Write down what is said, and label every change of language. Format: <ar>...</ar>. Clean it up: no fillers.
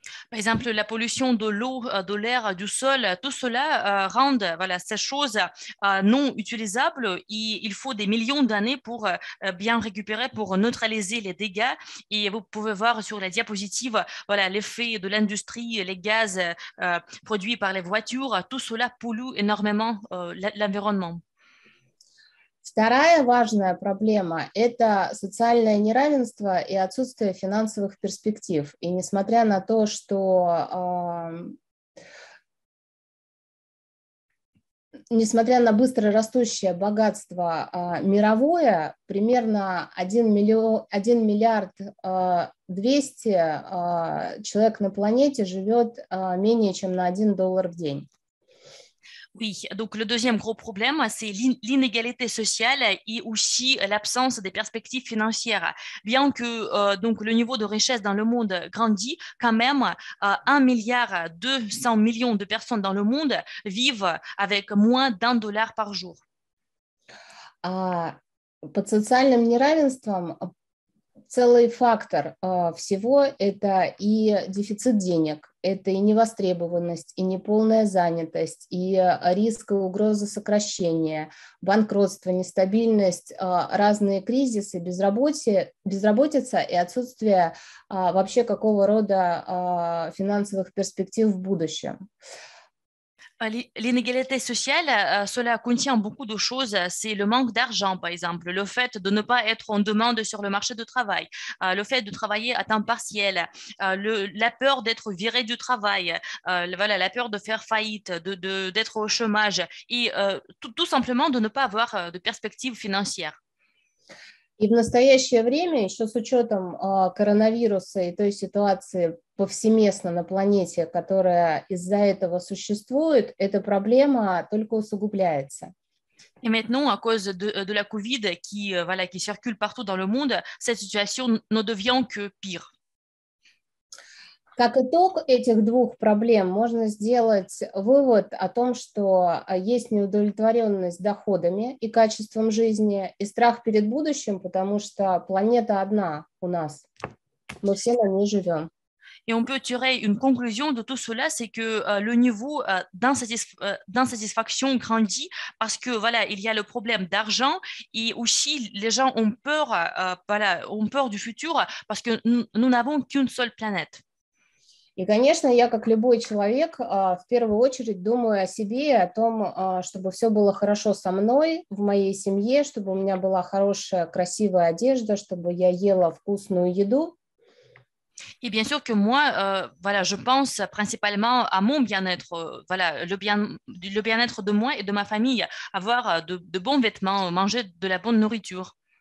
<fr>Par exemple, la pollution de l'eau, de l'air, du sol, tout cela rend voilà, ces choses non utilisables et il faut des millions d'années pour bien récupérer, pour neutraliser les dégâts. Et vous pouvez voir sur la diapositive voilà, l'effet de l'industrie, les gaz produits par les voitures, tout cela pollue énormément l'environnement.</fr> <ru>Вторая важная проблема – это социальное неравенство и отсутствие финансовых перспектив. И несмотря на то, что несмотря на быстро растущее богатство мировое, примерно 1 миллиард 200 человек на планете живет менее чем на $1 в день.</ru> <fr>Oui, donc le deuxième gros problème, c'est l'inégalité sociale et aussi l'absence des perspectives financières. Bien que donc, le niveau de richesse dans le monde grandit, quand même 1 milliard 200 millions de personnes dans le monde vivent avec moins d'un dollar par jour.</fr> <ru>Под социальным неравенством целый фактор всего – это и дефицит денег, это и невостребованность, и неполная занятость, и риск и угроза сокращения, банкротство, нестабильность, разные кризисы, безработица и отсутствие вообще какого рода финансовых перспектив в будущем.</ru> <fr>L'inégalité sociale, cela contient beaucoup de choses. C'est le manque d'argent, par exemple, le fait de ne pas être en demande sur le marché du travail, le fait de travailler à temps partiel, la peur d'être viré du travail, voilà, la peur de faire faillite, d'être au chômage et tout simplement de ne pas avoir de perspective financière.</fr> <ru>И в настоящее время, еще с учетом коронавируса и той ситуации повсеместно на планете, которая из-за этого существует, эта проблема только усугубляется. И</ru> <fr>maintenant, à cause de la COVID qui circule partout dans le monde, cette situation ne devient que pire.</fr> <ru>Как итог этих двух проблем, можно сделать вывод о том, что есть неудовлетворенность доходами и качеством жизни, и страх перед будущим, потому что планета одна у нас, мы все на ней живем.</ru> <fr>Et on peut tirer une conclusion de tout cela, c'est que le niveau d'insatisfaction grandit parce que voilà, il y a le problème d'argent et aussi les gens ont peur, ont peur du futur parce que nous n'avons qu'une seule planète.</fr> <ru>И, конечно, я, как любой человек, в первую очередь думаю о себе и о том, чтобы все было хорошо со мной, в моей семье, чтобы у меня была хорошая, красивая одежда, чтобы я ела вкусную еду. И,</ru> <fr>bien sûr, que moi, voilà, je pense principalement à mon bien-être, voilà, le bien-être de moi et de ma famille, avoir de bons vêtements, manger de la bonne nourriture.</fr>